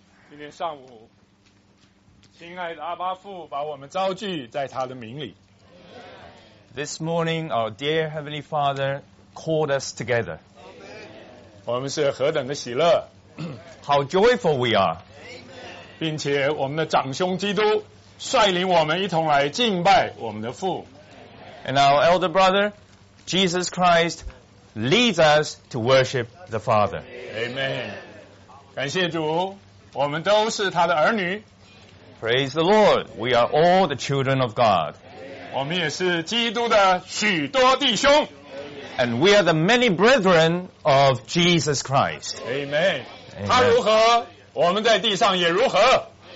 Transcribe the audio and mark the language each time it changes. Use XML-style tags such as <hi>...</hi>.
<zh>今天上午，亲爱的阿巴父把我们召聚在他的名里。</zh> <en>This morning, our dear Heavenly Father called us together.</en> <zh>我们是何等的喜乐</zh> <en>！How joyful we are！</en> <zh>并且我们的长兄基督率领我们一同来敬拜我们的父。</zh> <en>And our elder brother, Jesus Christ, leads us to worship the Father. Amen.</en> <zh>感谢主，我们都是他的儿女。</zh> <en>Praise the Lord, we are all the children of God.</en> <zh>我们也是基督的许多弟兄。</zh> <en>And we are the many brethren of Jesus Christ. Amen.</en> <zh>他如何，我们在地上也如何。</zh>